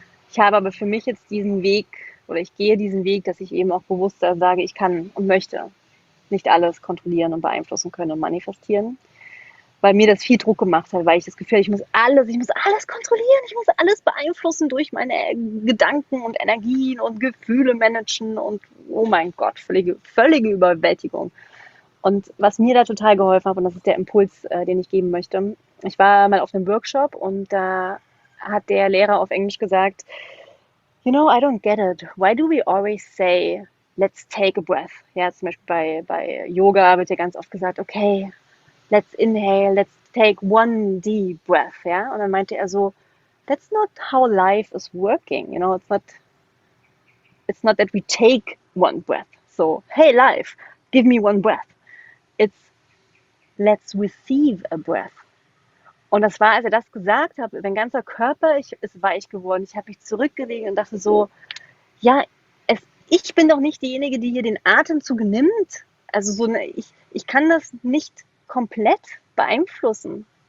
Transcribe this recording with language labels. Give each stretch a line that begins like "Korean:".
German: Ich habe aber für mich jetzt diesen Weg, oder ich gehe diesen Weg, dass ich eben auch bewusster sage, ich kann und möchte nicht alles kontrollieren und beeinflussen können und manifestieren, weil mir das viel Druck gemacht hat, weil ich das Gefühl hatte, ich muss alles kontrollieren, ich muss alles beeinflussen durch meine Gedanken und Energien und Gefühle managen und oh mein Gott, völlige Überwältigung. Und was mir da total geholfen hat, und das ist der Impuls, den ich geben möchte, ich war mal auf einem Workshop und da hat der Lehrer auf Englisch gesagt, you know, I don't get it.
English: Why do we always say, let's take a breath?
German: Ja, zum Beispiel bei Yoga wird ja ganz oft gesagt, okay, let's inhale, let's take one deep breath. Ja, und dann meinte er so, that's not how life is working.
English: You know, it's not that we take one breath. So, hey life, give me one breath. It's let's receive a breath.
German: Und das war, als er das gesagt hat, mein ganzer Körper ist weich geworden. Ich habe mich zurückgelegt und dachte so, ja, ich bin doch nicht diejenige, die hier den Atemzug nimmt. Also so, ich kann das nicht komplett beeinflussen.